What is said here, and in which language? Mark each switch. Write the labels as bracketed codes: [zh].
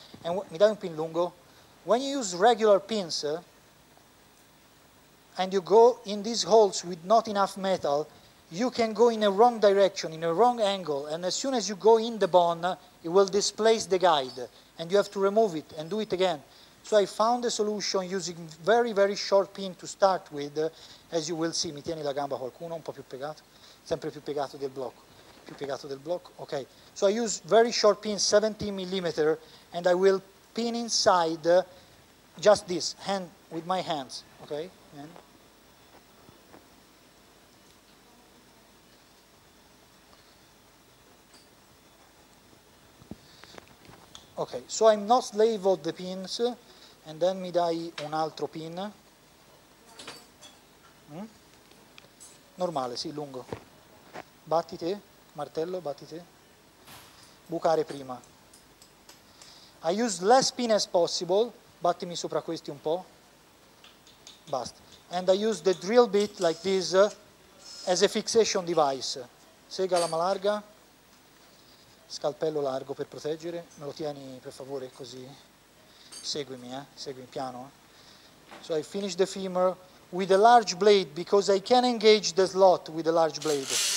[en] And [it] mi dai un pin lungo? [en] When you use regular pins and you go in these holes with not enough metal, you can go in a wrong direction, in a wrong angle, and as soon as you go in the bone, it will displace the guide, and you have to remove it and do it again. So I found a solution using very, very short pin to start with, as you will see. [it] Mi tieni la gamba qualcuno, un po' più piegato, sempre più piegato del blocco. Più piegato del blocco, okay. [en] So I use very short pin, 17 millimeter, and I will pin inside just this, hand with my hands, okay? And okay, so I'm not slave of the pins, and then [it] mi dai un altro pin. Normale, sì, lungo. Battite, martello, battite. Bucare prima. [en] I use less pin as possible, [it] battimi sopra questi un po'. Basta. [en] And I use the drill bit like this as a fixation device. [it] Sega lama larga. Scalpello largo per proteggere, me lo tieni per favore così, seguimi, seguimi piano. [en] So I finish the femur with a large blade because I can engage the slot with a large blade.